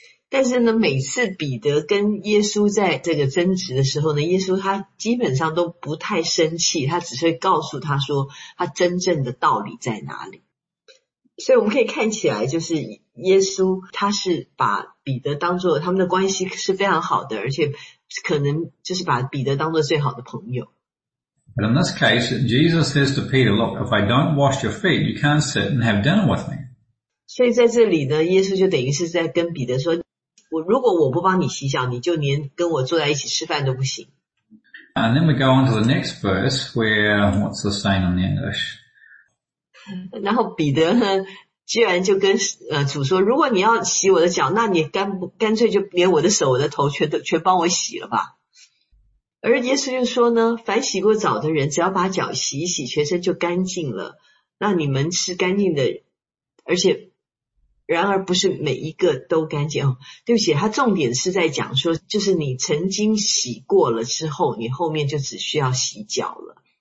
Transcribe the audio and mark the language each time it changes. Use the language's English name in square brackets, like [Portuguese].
[Chinese] 但是呢，每次彼得跟耶稣在这个争执的时候呢，耶稣他基本上都不太生气，他只是会告诉他说他真正的道理在哪里。所以我们可以看起来，就是耶稣他是把彼得当作，他们的关系是非常好的，而且可能就是把彼得当作最好的朋友。 [English] But in this case, Jesus says to Peter, look, if I don't wash your feet, you can't sit and have dinner with me. [Chinese] 所以在这里呢，耶稣就等于是在跟彼得说，我如果我不帮你洗脚，你就连跟我坐在一起吃饭都不行。 [English] And then we go on to the next verse where, what's the saying in English? [Chinese] 然后彼得呢，居然就跟主说，如果你要洗我的脚，那你干脆就连我的手、我的头全帮我洗了吧。而耶稣就说呢，凡洗过澡的人，只要把脚洗一洗，全身就干净了。那你们是干净的，而且然而不是每一个都干净、哦、对不起，他重点是在讲说，就是你曾经洗过了之后，你后面就只需要洗脚了。